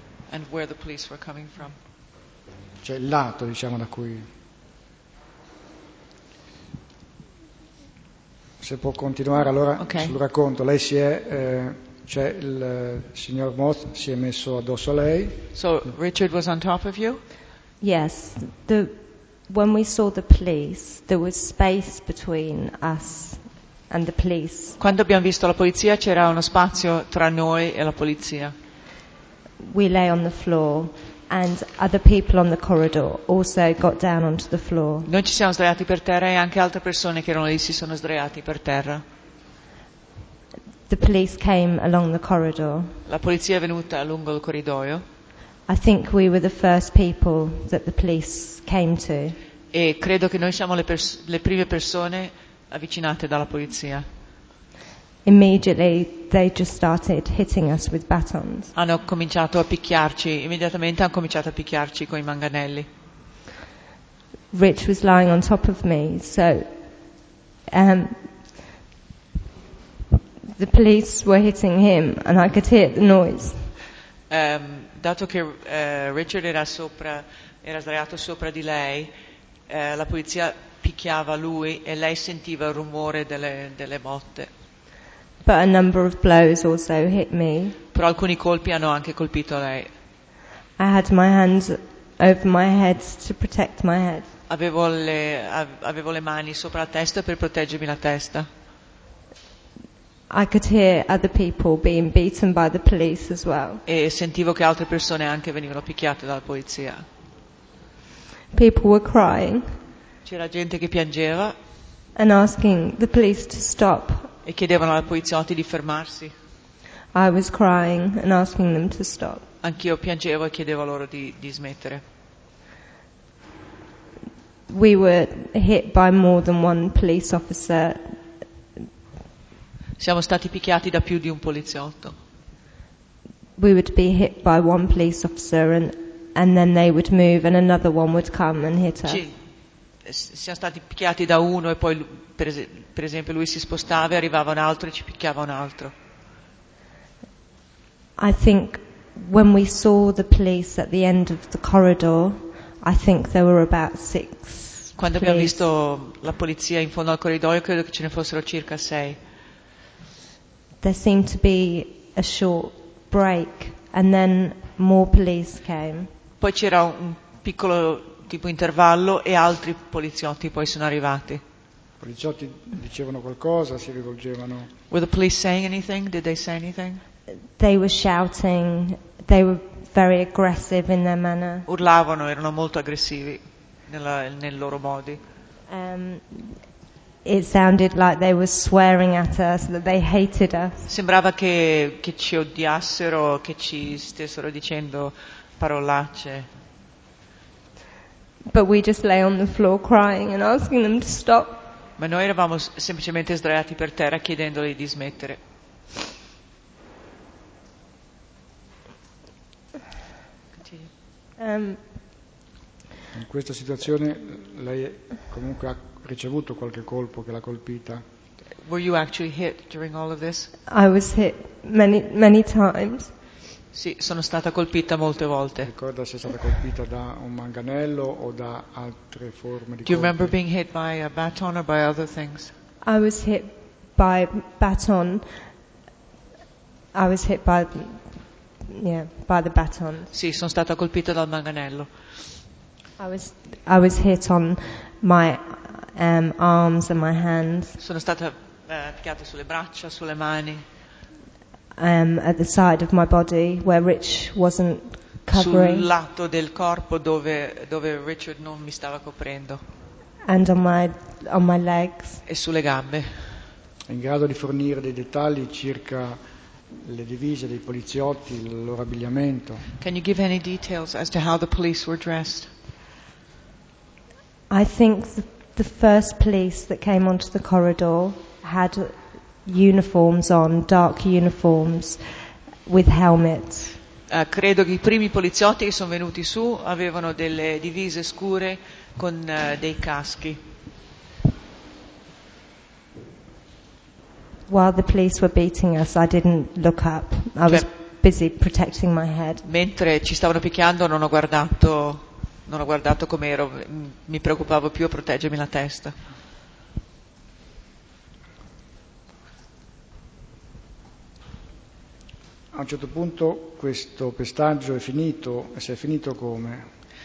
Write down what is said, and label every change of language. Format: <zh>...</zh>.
<en>And where the police were coming from.</en> <it>Cioè il lato, diciamo, da cui... Se può continuare, allora, okay, sul racconto. Lei si è, cioè il signor Moth si è messo addosso a lei.</it> <en>So Richard was on top of you? Yes. The, when we saw the police, there was space between us and the police.</en> <it>Quando abbiamo visto la polizia, c'era uno spazio tra noi e la polizia.</it> <en>We lay on the floor. And other people on the corridor also got down onto the floor.</en> <it>Noi ci siamo sdraiati per terra e anche altre persone che erano lì si sono sdraiati per terra.</it> <en>The police came along the corridor.</en> <it>La polizia è venuta lungo il corridoio.</it> <en>I think we were the first people that the police came to.</en> <it>E credo che noi siamo le prime persone avvicinate dalla polizia.</it> <en>Immediately they just started hitting us with batons.</en> <it>Hanno cominciato a picchiarci, immediatamente hanno cominciato a picchiarci con i manganelli.</it> <en>Rich was lying on top of me, so the police were hitting him and I could hear the noise.</en> <it>Dato che Richard era sopra, era sdraiato sopra di lei, la polizia picchiava lui e lei sentiva il rumore delle botte.</it> <en>But a number of blows also hit me.</en> <it>Però alcuni colpi hanno anche colpito lei.</it> <en>I had my hands over my head to protect my head.</en> <it>Avevo le mani sopra la testa per proteggermi la testa.</it> <en>I could hear other people being beaten by the police as well.</en> <it>E sentivo che altre persone anche venivano picchiate dalla polizia.</it> <en>People were crying.</en> <it>C'era gente che piangeva.</it> <en>And asking the police to stop.</en> <it>E chiedevano ai poliziotti di fermarsi.</it> <en>I was crying and asking them to stop.</en> <it>Anch'io piangevo e chiedevo loro di smettere.</it> <en>We were hit by more than one police officer.</en> <it>Siamo stati picchiati da più di un poliziotto.</it> <en>We would be hit by one police officer and then they would move and another one would come and hit us.</en> <it>Siamo stati picchiati da uno e poi per esempio lui si spostava e arrivava un altro e ci picchiava un altro.</it> <en>I think when we saw the police at the end of the corridor, I think there were about six.</en> <it>Quando abbiamo visto la polizia in fondo al corridoio, credo che ce ne fossero circa sei.</it> <en>There seemed to be a short break and then more police came.</en> <it>Poi c'era un piccolo tipo intervallo e altri poliziotti poi sono arrivati. I poliziotti dicevano qualcosa, si rivolgevano.</it> <en>Were the police saying anything? Did they say anything? They were shouting. They were very aggressive in their manner.</en> <it>Urlavano, erano molto aggressivi nel loro modi.</it> <en>It sounded like they were swearing at us, that they hated us.</en> <it>Sembrava che ci odiassero, che ci stessero dicendo parolacce.</it> <en>But we just lay on the floor crying and asking them to stop.</en> <it>Ma noi eravamo semplicemente sdraiati per terra chiedendogli di smettere. In questa situazione lei comunque ha ricevuto qualche colpo che l'ha colpita.</it> <en>Were you actually hit during all of this? I was hit many times.</en> <it>Sì, sono stata colpita molte volte. Ricorda se è stata colpita da un manganello o da altre forme di colpi?</it> <en>Do you remember being hit by a baton or by other things? I was hit by baton. I was hit by, yeah, by the baton.</en> <it>Sì, sono stata colpita dal manganello.</it> <en>I was hit on my arms and my hands.</en> <it>Sono stata picchiata sulle braccia, sulle mani.</it> <en>At the side of my body where Rich wasn't covering.</en> <it>Sul lato del corpo dove Richard non mi stava coprendo.</it> <en>And on my legs.</en> <it>E sulle gambe. È in grado di fornire dei dettagli circa le divise dei poliziotti, il loro abbigliamento?</it> <en>Can you give any details as to how the police were dressed? I think the first police that came onto the corridor had uniforms on, dark uniforms, with helmets.</en> <it>Credo che i primi poliziotti che sono venuti su avevano delle divise scure con dei caschi.</it> <en>While the police were beating us, I didn't look up. I was busy protecting my head.</en> <it>Mentre ci stavano picchiando, non ho guardato come ero. Mi preoccupavo più a proteggermi la testa. A un certo punto questo pestaggio è finito, e se è finito come?</it>